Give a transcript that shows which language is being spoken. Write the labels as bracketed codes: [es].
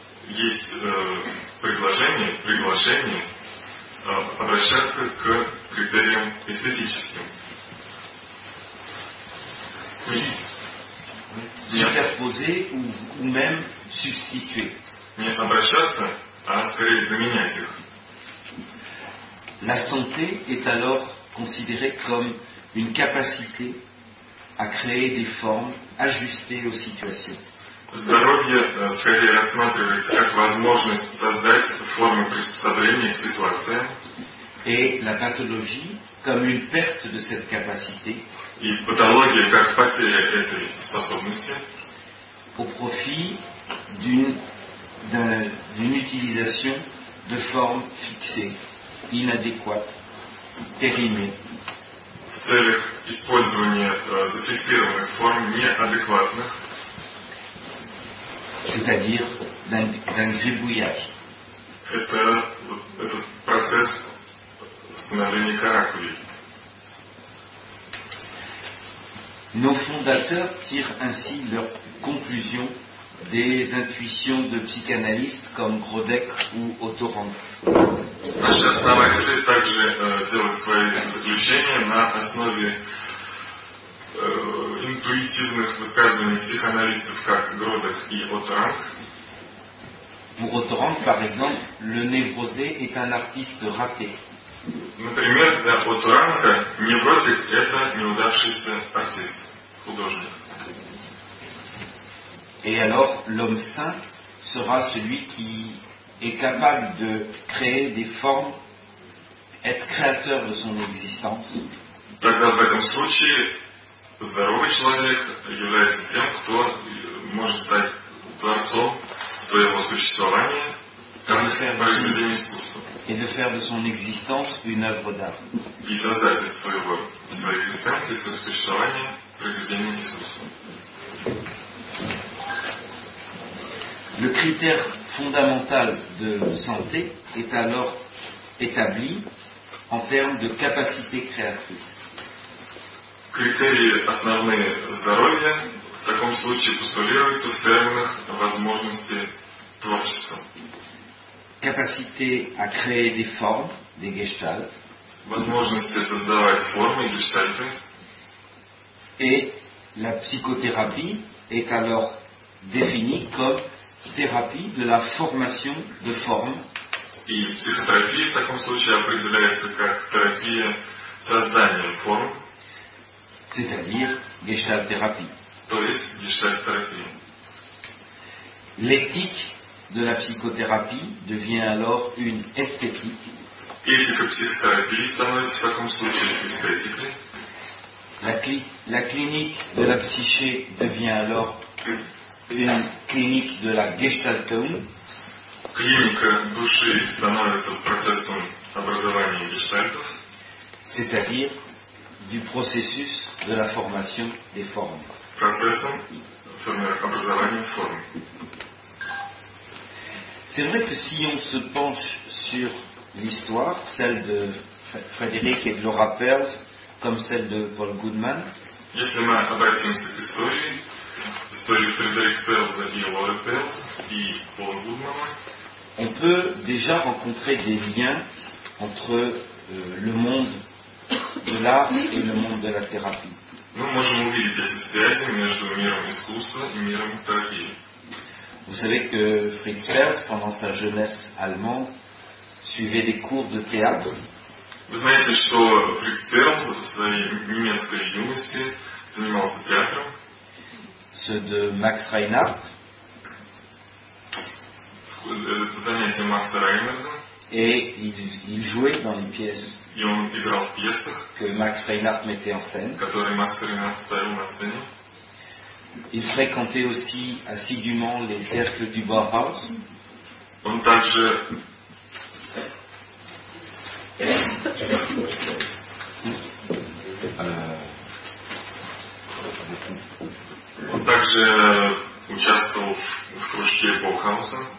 [ru] есть предложение, приглашение обращаться к критериям эстетическим. Не обращаться, а скорее заменять их. [fr] La santé est alors considérée comme une capacité à créer des formes ajustées aux situations. [ru] Здоровье скорее рассматривается как возможность создать формы приспособления к ситуациям. [fr] Et la pathologie comme une perte de cette capacité. [ru] И патология как потеря этой способности. [fr] Au profit d'une utilisation de formes fixées. Inadéquate, périmée. [ru] В целях использования зафиксированных форм неадекватных. [fr] C'est-à-dire d'un гребуяж. [ru] Это процесс становления каракулей. [fr] Nos fondateurs tirent ainsi leur conclusion des intuitions de psychanalystes comme Grodeck ou Otto Rank. [ru] Наши основатели также делают свои заключения на основе интуитивных высказываний психоаналистов, как Гродек и Отто Ранк. [fr] Pour Otto Rank, par exemple, le névrosé est un artiste raté. [ru] Например, для Отто Ранка невротик – это неудавшийся артист, художник. [fr] Et alors, l'homme saint sera celui qui est capable de créer des formes, être créateur de son existence. [ru] Тогда в этом случае здоровый человек является тем, кто может стать творцом своего существования, как произведение искусства. [fr] Et de faire de son existence une œuvre d'art. [ru] И создать из своего existence, из своего существования произведение искусства. [fr] Le critère fondamental de santé est alors établi en termes de capacité créatrice. [ru] Критерии основные здоровья в таком случае постулируются в терминах возможности творчества. [fr] Capacité à créer des formes, des gestalt. [ru] Возможности создавать формы, гештальты. [fr] Et la psychothérapie est alors définie comme thérapie de la formation de formes. [ru] И психотерапия в таком случае определяется как терапия создания форм. [fr] C'est-à-dire gestalt-thérapie. [ru] То есть гештальт-терапия. [fr] L'éthique de la psychothérapie devient alors une esthétique. Éthique psychothérapie [ru] становится в таком случае эстетикой. [fr] La clinique de la psyché devient alors une clinique de la Gestaltung. [ru] Клиника души становится процессом образования гештальтов. [fr] C'est-à-dire du processus de la formation des formes. [ru] Процессом образования форм. [fr] C'est vrai que si on se penche sur l'histoire, celle de Frédéric et de Laura Perls, comme celle de Paul Goodman, [ru] если мы обратимся к истории, истории Фредерика Перлза и Лоры Перлз и Пола Гудмана, [fr] on peut déjà rencontrer des liens entre le monde de l'art et le monde de la thérapie. [ru] Мы можем увидеть эти связи между миром искусства и миром терапии. [fr] Vous savez que Fritz Perls, pendant sa jeunesse allemande, suivait des cours de théâtre. Vous savez que [ru] Fritz Perls, в своей немецкой юности, занимался театром. [fr] Ceux de Max Reinhardt. [ru] Это занятие Макса Рейнарда. [fr] Et il jouait dans les pièces. [ru] И он играл в пьесах. [fr] Que Max Reinhardt mettait en scène. [ru] Которые Макс Рейнхардт ставил на сцене. [fr] Il fréquentait aussi assidûment les cercles du Bauhaus. [ru] Он также участвовал в кружке Bauhaus.